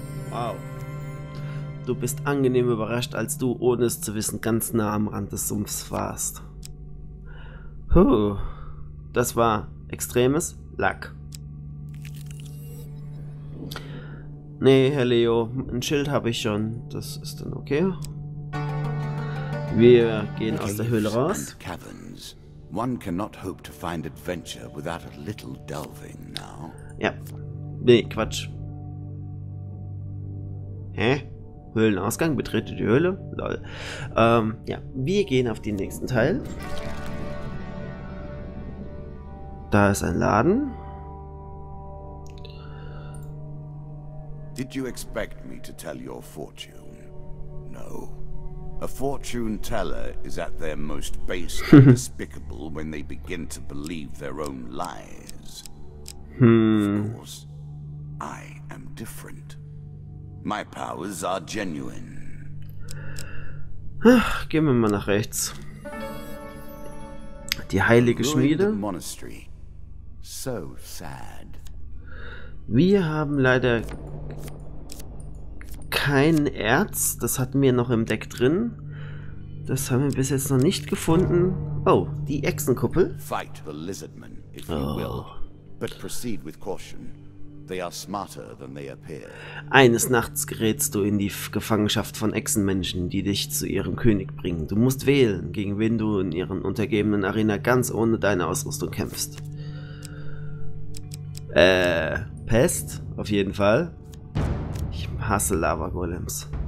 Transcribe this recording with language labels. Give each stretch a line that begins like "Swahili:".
German: Wow. Du bist angenehm überrascht, als du, ohne es zu wissen, ganz nah am Rand des Sumpfs warst. Huh. Das war extremes Luck. Nee, Herr Leo, ein Schild habe ich schon. Das ist dann okay. Wir gehen aus der Höhle raus.
English: Caverns. One cannot hope to find adventure without a little delving now.
German: Ja. Nee, Quatsch. Hä? Höhlenausgang? Betrete die Höhle? Lol. Ja, wir gehen auf den nächsten Teil. Da ist ein Laden.
English: Did you expect me to tell your fortune? No. A fortune teller is at their most base and despicable when they begin to believe their own lies. Of course, I am different. My powers are genuine.
German: Ach, gehen wir mal nach rechts. Die heilige Schmiede.
English: So sad.
German: Wir haben leider kein Erz. Das hatten wir noch im Deck drin. Das haben wir bis jetzt noch nicht gefunden.
English: Oh,
German: die Echsenkuppel.
English: Fight the Lizardmen, if you will. But proceed with caution. They are smarter than they appear.
German: Eines Nachts gerätst du in die Gefangenschaft von Echsenmenschen, die dich zu ihrem König bringen. Du musst wählen, gegen wen du in ihren untergebenen Arena ganz ohne deine Ausrüstung kämpfst. Pest, auf jeden Fall. Ich hasse Lava-Golems.